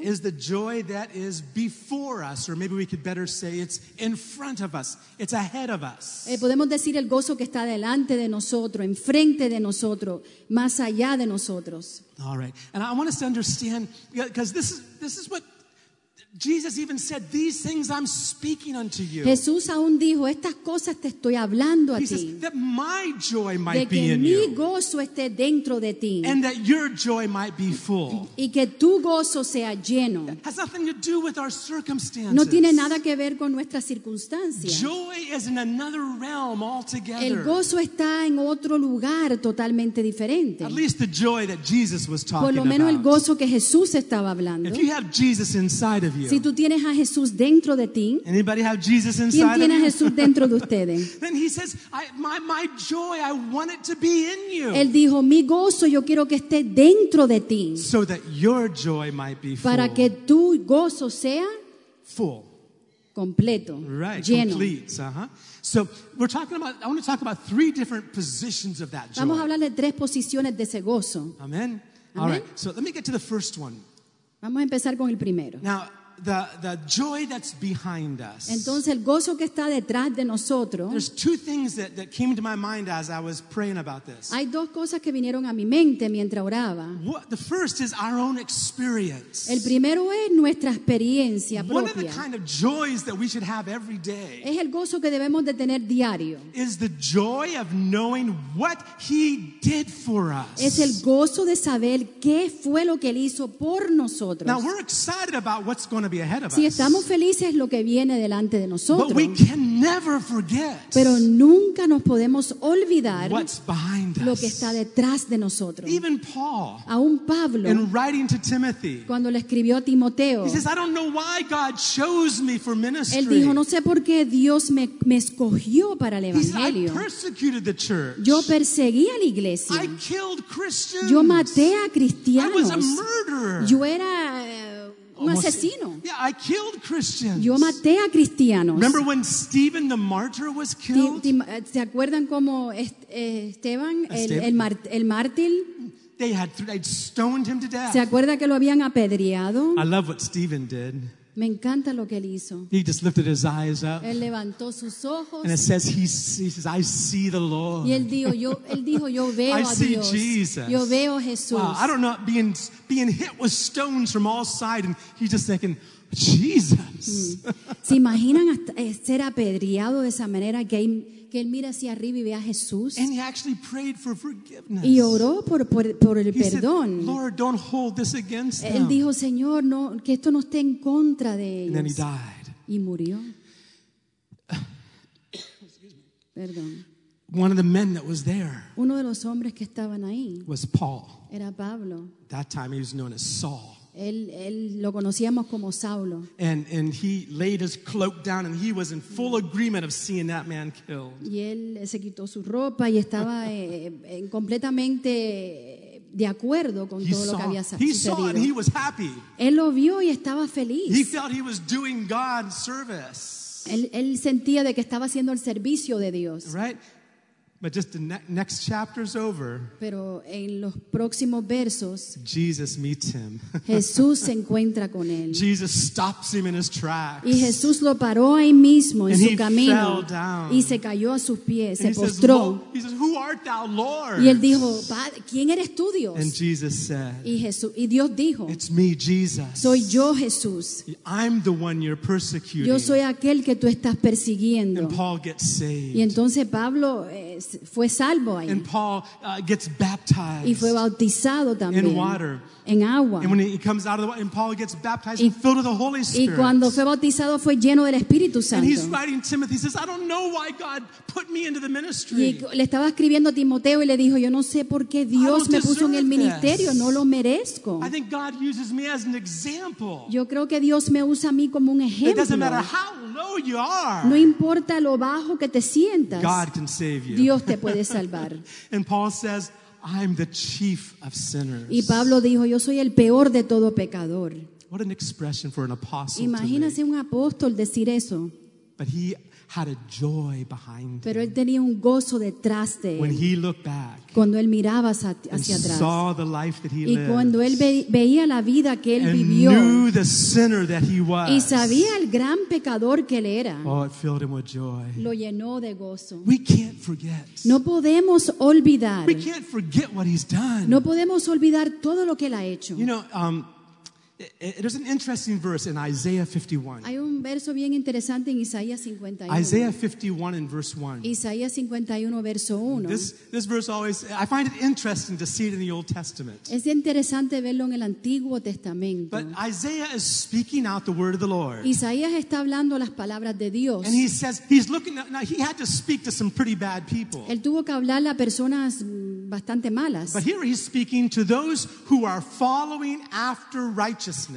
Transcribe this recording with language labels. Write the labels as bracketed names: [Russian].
[English] is the joy that is before us, or maybe we could better say it's in front of us, it's ahead of us. [Spanish] Podemos decir el gozo que está delante de nosotros, enfrente de nosotros, más allá de nosotros. [English] All right, and I want us to understand, because this is what Jesus even said, these things I'm speaking unto you. [Spanish] Jesús aún dijo, estas cosas te estoy hablando a ti. [English] He says that my joy might be in you. [Spanish] De que mi gozo esté dentro de ti. [English] And that your joy might be full. [Spanish] Y que tu gozo sea lleno. [English] That has nothing to do with our circumstances. [Spanish] No tiene nada que ver con nuestras circunstancias. [English] Joy is in another realm altogether. [Spanish] El gozo está en otro lugar totalmente diferente. [English] At least the joy that Jesus was talking about. [Spanish] Por lo menos el gozo que Jesús estaba hablando. [English] If you have Jesus inside of you. [Spanish] Si tú tienes a Jesús dentro de ti, [English] anybody have Jesus inside [Spanish] ¿quién tiene [English] of you? [Spanish] A Jesús dentro de ustedes? [English] Then he says, my joy, I want it to be in you. [Spanish] Él dijo, mi gozo, yo quiero que esté dentro de ti. [English] So that your joy might be full. [Spanish] Para que tu gozo sea [English] full. [Spanish] Completo. [English] Right. [Spanish] Lleno. [English] Complete. Uh-huh. So we're talking about, I want to talk about three different positions of that joy. [Spanish] Vamos a hablar de tres posiciones de ese gozo. [English] Amen. Amen. All right. So let me get to the first one. [Spanish] Vamos a empezar con el primero. [English] Now, the joy that's behind us. [Spanish] Entonces, el gozo que está detrás de nosotros. [English] There's two things that came to my mind as I was praying about this. [Spanish] Hay dos cosas que vinieron a mi mente mientras oraba. [English] The first is our own experience. [Spanish] El primero es nuestra experiencia propia. [English] One of the kind of joys that we should have every day. [Spanish] Es el gozo que debemos de tener diario. [English] Is the joy of knowing what He did for us. [Spanish] Es el gozo de saber qué fue lo que Él hizo por nosotros. [English] Now we're excited about what's going to be ahead of us. [Spanish] Si estamos felices lo que viene delante de nosotros. [English] But we can never forget. [Spanish] Pero nunca nos podemos olvidar [English] what's behind [Spanish] lo que está detrás de nosotros. [English] Even Paul, [Spanish] aún Pablo, [English] in writing to Timothy, [Spanish] cuando le escribió a Timoteo, [English] he says, I don't know why God chose me for ministry. [Spanish] Él dijo, no sé por qué Dios me escogió para el evangelio. [English] He says, I persecuted the church. [Spanish] Yo perseguí a la iglesia. [English] I killed Christians. [Spanish] Yo maté a cristianos. [English] I was a murderer. [Spanish] Yo era un asesino. [English] Yeah, I killed Christians. [Spanish] Yo maté a cristianos. [English] Remember when Stephen the martyr was killed? [Spanish] ¿Se acuerdan cómo Esteban, el mártir? [English] They'd stoned him to death. [Spanish] ¿Se acuerda que lo habían apedreado? [English] I love what Stephen did. [Spanish] Me encanta lo que él hizo. [English] He just lifted his eyes up. [Spanish] Él levantó sus ojos. [English] And it says he says, I see the Lord. [Spanish] Y él dijo, yo veo a Dios. [English] I see Jesus. [Spanish] Yo veo Jesús. [English] Wow, I don't know, being hit with stones from all sides, and he's just thinking, Jesus. [Spanish] ¿Se imaginan ser apedreado de esa manera que él mira hacia arriba y ve a Jesús? [English] And he actually prayed for forgiveness. [Spanish] Y oró por el perdón. [English] Said, Lord, don't hold this against them. [Spanish] Él dijo, Señor, no, que esto no esté en contra de ellos. [English] And then he died. [Spanish] Y murió. Perdón. [English] One of the men that was there. [Spanish] Uno de los hombres que estaban ahí. [English] Was Paul. [Spanish] Era Pablo. [English] That time he was known as Saul. [Spanish] Él lo conocíamos como Saulo. [English] And he laid his cloak down and he was in full agreement of seeing that man killed. [Spanish] Y él se quitó su ropa y estaba completamente de acuerdo con [English] he [Spanish] todo [English] saw, [Spanish] lo que había sucedido. [English] He saw and he was happy. [Spanish] Él lo vio y estaba feliz. [English] He felt he was doing God's service. [Spanish] Él sentía de que estaba haciendo el servicio de Dios. [English] Right? But just the next chapter's over. [Spanish] Pero en los próximos versos, [English] Jesus meets him. [Spanish] Jesús se encuentra con él. [English] Jesus stops him in his tracks. [Spanish] Y Jesús lo paró ahí mismo en [English] and [Spanish] su [English] he [Spanish] camino. [English] Fell down. [Spanish] Y se cayó a sus pies, se postró. [English] He says, "Who art thou, Lord?" [Spanish] Y él dijo, ¿quién eres tú, Dios? [English] And Jesus said, [Spanish] y Dios dijo, [English] "It's me, Jesus. [Spanish] Soy yo, Jesús. [English] I'm the one you're persecuting. [Spanish] Yo soy aquel que tú estás persiguiendo." [English] And Paul gets saved. [Spanish] Y entonces Pablo fue salvo ahí. [English] And Paul gets baptized [Spanish] y fue bautizado también [English] in water. [Spanish] En agua. [English] And when he comes out of the water, and Paul gets baptized and filled with the Holy Spirit. [Spanish] Y cuando fue bautizado fue lleno del Espíritu Santo. [English] And he's writing Timothy. He says, "I don't know why God put me into the ministry." [Spanish] Y le estaba escribiendo a Timoteo y le dijo, "Yo no sé por qué Dios me puso en el ministerio. [English] This. [Spanish] No lo merezco." [English] I think God uses me as an example. [Spanish] Yo creo que Dios me usa a mí como un ejemplo. [English] It doesn't matter how low you are. [Spanish] No importa lo bajo que te sientas. [English] God can save you. [Spanish] Dios te puede salvar. [English] And Paul says, "I'm the chief of sinners." [Spanish] Y Pablo dijo, "Yo soy el peor de todo pecador." [English] What an expression for an apostle. [Spanish] Imagínese un apóstol decir eso. [English] But he had a joy behind him. [Spanish] Pero él tenía un gozo detrás de él. [English] When he looked back. [Spanish] Cuando él miraba hacia [English] and [Spanish] atrás. [English] Saw the life that he lived. [Spanish] Y cuando él veía la vida que él [English] and [Spanish] vivió. [English] Knew the sinner that he was. [Spanish] Y sabía el gran pecador que él era. [English] Oh, it filled him with joy. [Spanish] Lo llenó de gozo. [English] We can't forget. [Spanish] No podemos olvidar. [English] We can't forget what he's done. [Spanish] No podemos olvidar todo lo que él ha hecho. [English] You know, there's an interesting verse in Isaiah 51. [Spanish] Hay un verso bien interesante en Isaías 51. [English] Isaiah 51 and verse 1. [Spanish] Isaías 51 verso 1. [English] This verse always I find it interesting to see it in the Old Testament. [Spanish] Es interesante verlo en el Antiguo Testamento. [English] But Isaiah is speaking out the word of the Lord. [Spanish] Isaías está hablando las palabras de Dios. [English] And he says he's looking at, now he had to speak to some pretty bad people. [Spanish] Él tuvo que hablar a personas bastante malas. [English] But here he's speaking to those who are following after righteousness.